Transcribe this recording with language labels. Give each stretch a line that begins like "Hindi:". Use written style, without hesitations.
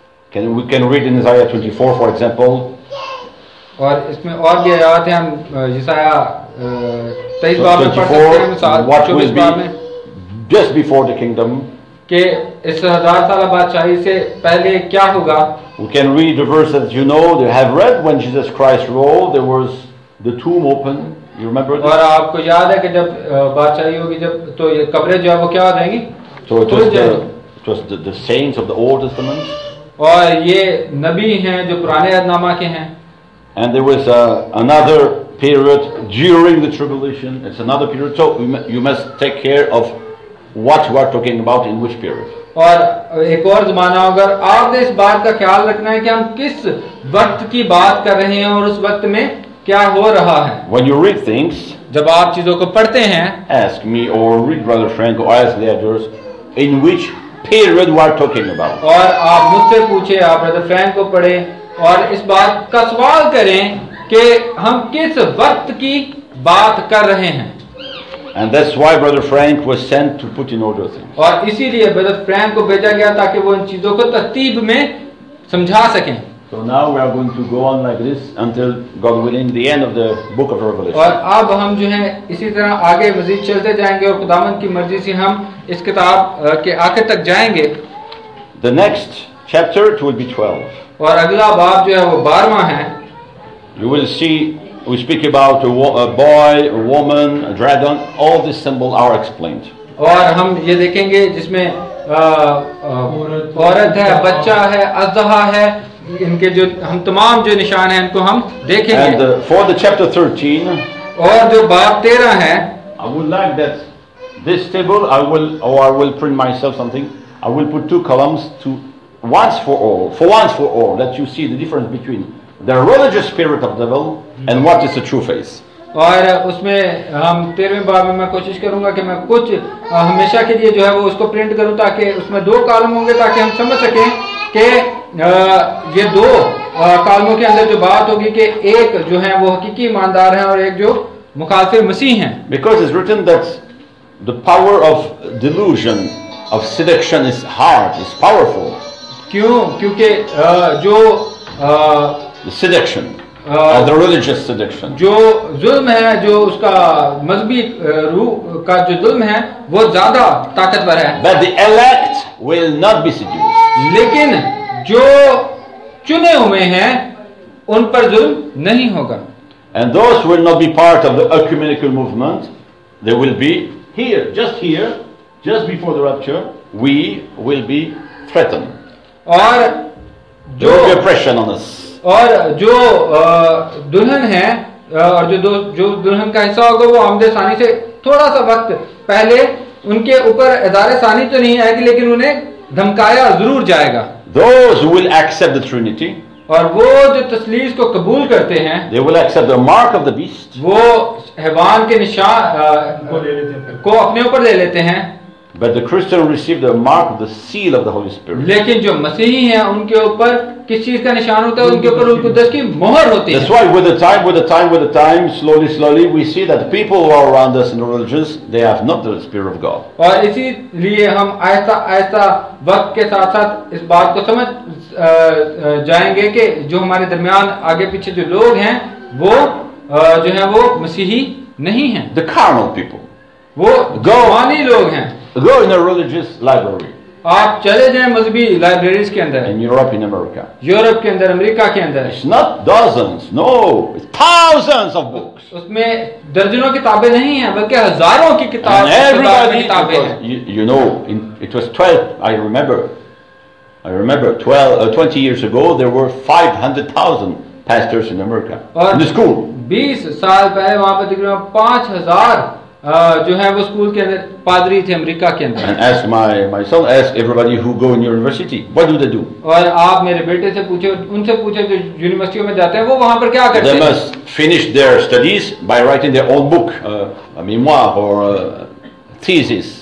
English: We can read in Isaiah 24, for example.
Hindi: और इसमें और भी आयत हैं हम यसाया 23 बाब में पढ़ सकते हैं.
English: What will be just before the kingdom?
Hindi: के इस हजार साल बादशाही से पहले क्या होगा?
English: We can read the verses you know they have read when Jesus Christ rose. There was the tomb open. You remember this?
Hindi: और आपको याद है कि जब बादशाही होगी जब तो ये कब्रें जो है वो क्या हो जाएंगी?
English: So it was the the saints of the Old Testament.
Hindi: और ये नबी हैं जो पुराने अहदनामा के हैं.
English: And there was another period during the tribulation. It's another period. So you must take care of what you are talking about in which period.
Hindi: और एक और ज़माना अगर आपने इस बात का ख्याल रखना है कि हम किस वक्त की बात कर रहे हैं और उस वक्त में क्या हो रहा है.
English: When you read things,
Hindi: जब आप चीजों को पढ़ते हैं,
English: ask me or read Brother Frank or ask the others in which period we are talking about.
Hindi: और आप मुझसे पूछे, आप ब्रदर फ्रैंक को पढ़े और इस बात का सवाल करें कि हम किस वक्त की बात कर रहे हैं.
English: And that's why Brother Frank was sent to put in order things.
Hindi: और इसीलिए ब्रदर फ्रैंक को भेजा गया ताकि वो इन चीजों को तरतीब में समझा सकें.
English: So now we are going to go on like this until God willing the end of the book of Revelation.
Hindi: और अब हम जो है इसी तरह आगे मजीद चलते जाएंगे और खुदावंद की मर्जी से हम इस किताब के आखिर तक जाएंगे.
English: The next chapter, it will be 12.
Hindi: और अगला बाब जो है वो 12वां है.
English: You will see, we speak about a boy, a woman, a dragon, all these symbols are explained.
Hindi: और हम ये देखेंगे जिसमें औरत है, बच्चा है, अज़हा है, इनके जो हम तमाम जो निशान हैं इनको हम देखेंगे.
English: And for the chapter 13,
Hindi: और जो बाब 13 है,
English: I would like that this table, I will print myself something. I will put two columns to once for all, that you see the difference between the religious spirit of the devil and what is the true faith.
Hindi: और उसमें हम 13वें बाब में मैं कोशिश करूंगा कि मैं कुछ हमेशा के लिए जो है वो उसको प्रिंट करूं ताकि उसमें दो कॉलम होंगे ताकि हम समझ सकें कि ये दो कॉलमों के अंदर जो बात होगी कि एक जो है वो हकीकी ईमानदार है और एक जो मुखालिफ मसीह है.
English: Because it's written that the power of delusion of seduction is hard, is powerful.
Hindi: क्यों? क्योंकि जो
English: seduction the religious seduction
Hindi: जो जुल्म है, जो उसका मजहबी रूह का जो जुल्म है वो ज्यादा ताकतवर है.
English: But the elect will not be seduced.
Hindi: लेकिन जो चुने हुए हैं उन पर जुल्म नहीं होगा.
English: And those will not be part of the ecumenical movement. They will be here, just here, just before the rapture, we will be threatened.
Hindi: और जो
English: oppression on us.
Hindi: और जो दुल्हन है और जो जो दुल्हन का हिस्सा होगा वो आमदे सानी से थोड़ा सा वक्त पहले उनके ऊपर इदारे सानी तो नहीं आएगी लेकिन उन्हें धमकाया जरूर जाएगा.
English: Those who will accept the Trinity.
Hindi: और वो जो तस्लीस को कबूल करते हैं,
English: they will accept the mark of the beast.
Hindi: वो हैवान के निशान को अपने ऊपर ले लेते हैं.
English: But the Christian received the mark, the seal of the Holy Spirit.
Hindi: लेकिन जो मसीही हैं, उनके ऊपर किस चीज का निशान होता है? उनके ऊपर रूह कुदस की मोहर होती है.
English: That's why, with the time, slowly, we see that the people who are around us in the religions, they have not the Spirit of God.
Hindi: और इसीलिए हम आहिस्ता वक्त के साथ साथ इस बात को समझ जाएंगे कि जो हमारे दरमियान आगे पीछे जो लोग हैं वो जो है वो मसीही नहीं है.
English: The carnal people.
Hindi: वो जवानी लोग हैं.
English: Go in a religious library.
Hindi: आप चले जाएं मजहबी libraries के अंदर.
English: In Europe, in America.
Hindi: Europe के अंदर, अमेरिका के अंदर.
English: It's not dozens, no, it's thousands of books.
Hindi: उसमें दर्जनों किताबें नहीं हैं, बल्कि हजारों की किताबें.
English: And everybody, you know, it was 12. I remember 20 years ago, there were 500,000 pastors in America. In the school.
Hindi: 20 साल पहले वहाँ पर तकरीबन 5,000 जो है वो स्कूल के अंदर पादरी थे अमेरिका के अंदर.
English: And ask my son, ask everybody who go in university, what do they do?
Hindi: और आप मेरे बेटे से पूछे, उनसे पूछे जो यूनिवर्सिटियों में जाते हैं वो वहाँ पर क्या करते हैं?
English: They must finish their studies by writing their own book, a memoir or a thesis.